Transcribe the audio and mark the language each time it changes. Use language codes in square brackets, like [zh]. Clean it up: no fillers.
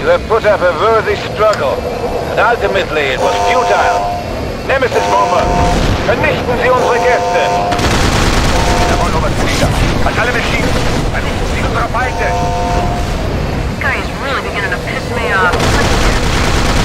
[en] Put up a worthy struggle, and ultimately it was futile. [de] Nemesis bomber, vernichten Sie unsere Gäste! Der Volumensflieger, an alle Maschinen, vernichten Sie unsere Feinde! [en] This guy is really beginning to piss me off.